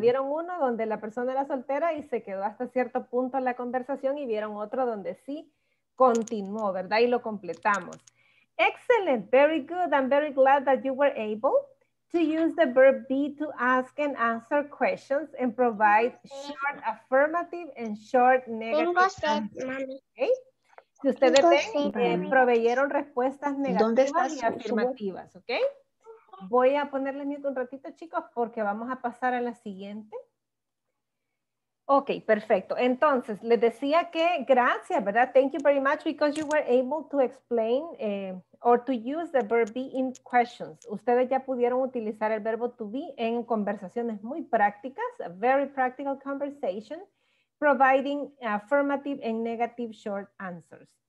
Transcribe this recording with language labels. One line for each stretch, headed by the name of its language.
Spanish: Vieron uno donde la persona era soltera y se quedó hasta cierto punto en la conversación y vieron otro donde sí. Continuó, ¿verdad? Y lo completamos.
English: Excellent, very good. I'm very glad that you were able to use the verb be to ask and answer questions and provide short affirmative and short negative answers. Okay?
Spanish: Si ustedes proveyeron respuestas negativas y afirmativas, ¿ok? Voy a ponerle mute un ratito, chicos, porque vamos a pasar a la siguiente. Ok, perfecto. Entonces, les decía que gracias, ¿verdad?
English: Thank you very much because you were able to explain or to use the verb be in questions.
Spanish: Ustedes ya pudieron utilizar el verbo to be en conversaciones muy prácticas,
English: a very practical conversation, providing affirmative and negative short answers.